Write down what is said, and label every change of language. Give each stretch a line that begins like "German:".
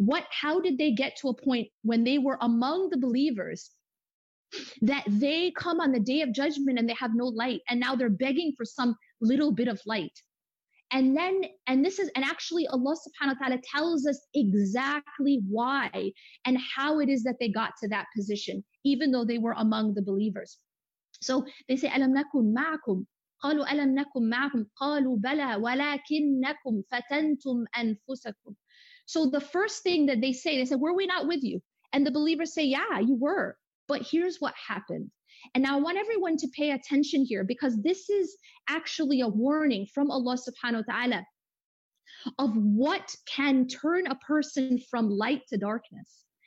English: How did they get to a point when they were among the believers that they come on the Day of Judgment and they have no light, and now they're begging for some little bit of light? And then, actually Allah subhanahu wa ta'ala tells us exactly why and how it is that they got to that position, even though they were among the believers. So they say,
Arabic: "Alam nakum ma'akum?" قالوا ألم نكن معكم قالوا بلى ولكنكم فتنتم أنفسكم.
English: So the first thing that they said, "Were we not with you?" And the believers say, "Yeah, you were, but here's what happened." And now I want everyone to pay attention here, because this is actually a warning from Allah subhanahu wa ta'ala of what can turn a person from light to darkness.